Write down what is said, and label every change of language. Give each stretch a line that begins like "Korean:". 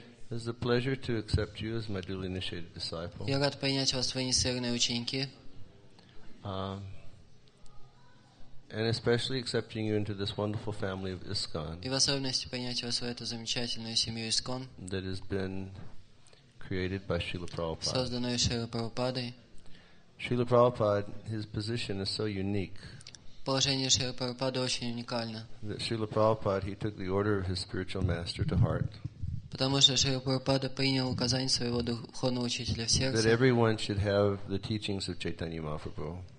English: It's a pleasure to accept you as my duly initiated disciple.
Russian: Я рад принять вас в инициированные ученики.
English: And especially accepting you into this wonderful family of ISKCON.
Russian: И в особенности принять вас в эту замечательную семью ISKCON.
English: That has been created by Srila Prabhupada.
Russian: Созданную Шрила Прабхупадой.
English: Srila Prabhupada, his position is so unique.
Russian: Положение Шрила Прабхупады очень уникально.
English: That Srila Prabhupada, he took the order of his spiritual master to heart.
Russian: Потому что Шрила Прабхупада принял указание своего духовного учителя в сердце.
English: That everyone should have the teachings of Chaitanya Mahaprabhu.